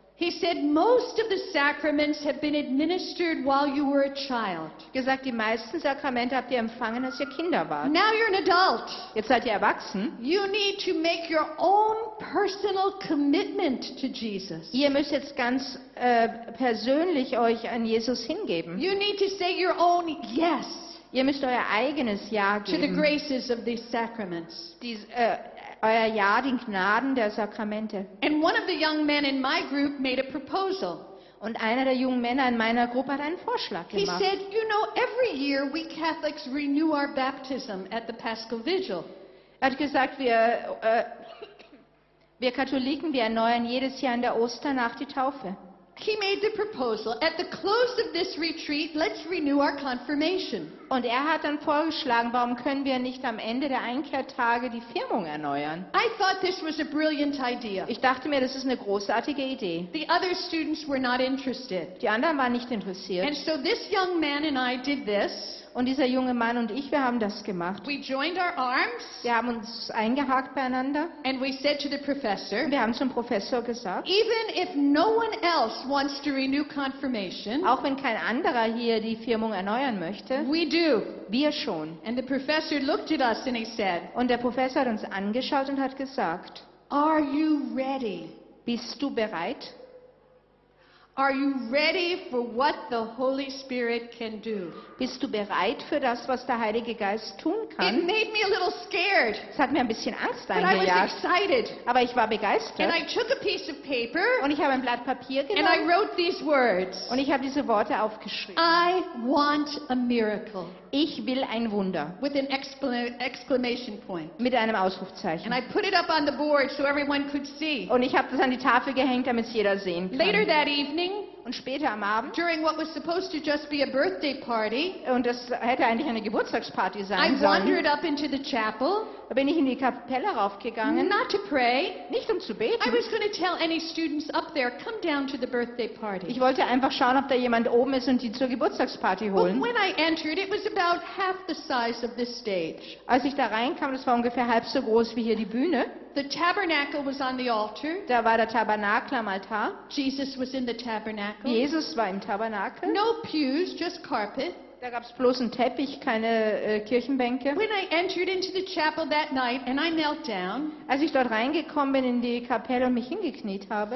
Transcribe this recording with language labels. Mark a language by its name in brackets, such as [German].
[English] He said, most of the sacraments have been administered while you were a child. [German] Gesagt, die meisten Sakramente habt ihr empfangen, als ihr Kinder wart. [English] Now you're an adult. [German] Jetzt seid ihr erwachsen. [English] You need to make your own personal commitment to Jesus. [German] Ihr müsst jetzt ganz persönlich euch an Jesus hingeben. [English] You need to say your own yes. [German] Ihr müsst euer eigenes Ja geben. [English] To the graces of these sacraments. [German] Euer Ja, den Gnaden der Sakramente. [English] And one of the young men in my group made a proposal. [German] Und einer der jungen Männer in meiner Gruppe hat einen Vorschlag gemacht. [English] He said, you know, every year we Catholics renew our baptism at the Paschal Vigil. [German] Er hat gesagt, wir Katholiken, wir erneuern jedes Jahr in der Osternacht die Taufe. [English] He made the proposal, at the close of this retreat, let's renew our confirmation. [German] Und er hat dann vorgeschlagen, warum können wir nicht am Ende der Einkehrtage die Firmung erneuern? [English] I thought this was a brilliant idea. [German] Ich dachte mir, das ist eine großartige Idee. [English] The other students were not interested. [German] Die anderen waren nicht interessiert. [English] And so this young man and I did this. [German] Und dieser junge Mann und ich, wir haben das gemacht. [English] We joined our arms. [German] Wir haben uns eingehakt beieinander. [English] And we said to the professor, [German] wir haben zum Professor gesagt, [English] even if no one else wants to renew confirmation, [German] auch wenn kein anderer hier die Firmung erneuern möchte, [English] we do. [German] Wir schon. [English] And the professor looked at us and he said, [German] und der Professor hat uns angeschaut und hat gesagt, [English] are you ready? [German] Bist du bereit? [English] Are you ready for what the Holy Spirit can do? [German] Bist du bereit für das, was der Heilige Geist tun kann? [English] It made me a little scared. [German] Es hat mir ein bisschen Angst eingejagt. [English] But I was excited. [German] Aber ich war begeistert. [English] And I took a piece of paper. [German] Und ich habe ein Blatt Papier genommen. [English] And I wrote these words. [German] Und ich habe diese Worte aufgeschrieben. [English] I want a miracle. [German] Ich will ein Wunder. [English] With an exclamation point. [German] Mit einem Ausrufzeichen. [English] And I put it up on the board so everyone could see. [German] Und ich habe das an die Tafel gehängt, damit es jeder sehen kann. [English] Later that evening, [German] und später am Abend, [English] during what was supposed to just be a birthday party, [German] und das hätte eigentlich eine Geburtstagsparty sein sollen, [English] I wandered up into the chapel. [German] Da bin ich in die Kapelle raufgegangen. [English] Not to pray. [German] Nicht um zu beten. [English] I was going to tell any students up there, come down to the birthday party. [German] Ich wollte einfach schauen, ob da jemand oben ist und die zur Geburtstagsparty holen. [English] But when I entered, it was about half the size of this stage. [German] Als ich da reinkam, das war ungefähr halb so groß wie hier die Bühne. [English] The tabernacle was on the altar. [German] Da war der Tabernakel am Altar. [English] Jesus was in the tabernacle. [German] Jesus war im Tabernakel. [English] No pews, just carpet. [German] Da gab es bloß einen Teppich, keine Kirchenbänke. [English] When I entered into the chapel that night and I knelt down, [German] als ich dort reingekommen bin in die Kapelle und mich hingekniet habe,